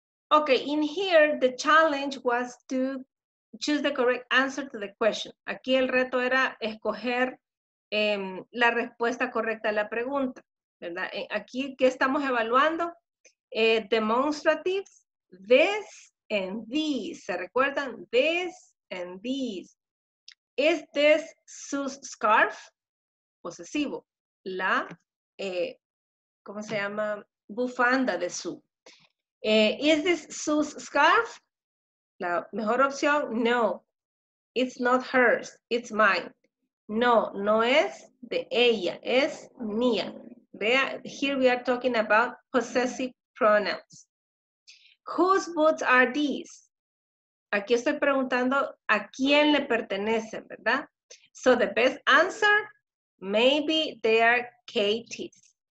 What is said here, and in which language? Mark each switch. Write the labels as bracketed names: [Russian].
[English] Okay, in here, the challenge was to choose the correct answer to the question. [Spanish] Aquí el reto era escoger la respuesta correcta a la pregunta, ¿verdad? Aquí, ¿qué estamos evaluando? [English] Demonstratives, this and these. [Spanish] ¿Se recuerdan? [English] This and these. Is this Sue's scarf? Posesivo. [Spanish] La, ¿cómo se llama? Bufanda de Sue. [English] Is this Sue's scarf? [Spanish] La mejor opción, no. [English] It's not hers, it's mine. [Spanish] No, no es de ella, es mía. [English] Vea, here we are talking about possessive pronouns. Whose boots are these? [Spanish] Aquí estoy preguntando a quién le pertenecen, ¿verdad? [English] So the best answer, maybe they are Katie's.